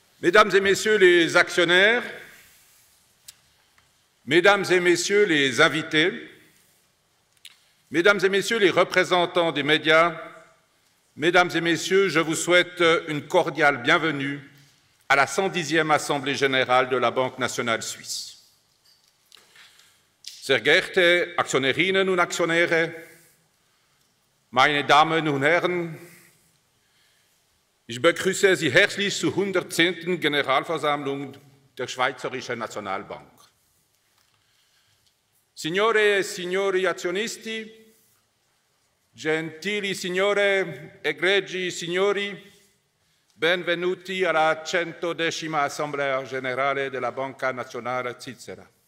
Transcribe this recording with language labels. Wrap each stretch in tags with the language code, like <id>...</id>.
<fr>Mesdames et messieurs les actionnaires, mesdames et messieurs les invités, mesdames et messieurs les représentants des médias, mesdames et messieurs, je vous souhaite une cordiale bienvenue à la 110e Assemblée générale de la Banque nationale suisse.</fr> <de>Sehr geehrte Aktionärinnen und Aktionäre, meine Damen und Herren, ich begrüße Sie herzlich zur 110. Generalversammlung der Schweizerischen Nationalbank.</de> <it>Signore e signori azionisti, gentili signore, egregi signori, benvenuti alla 110ª Assemblea Generale della Banca Nazionale Svizzera.</it>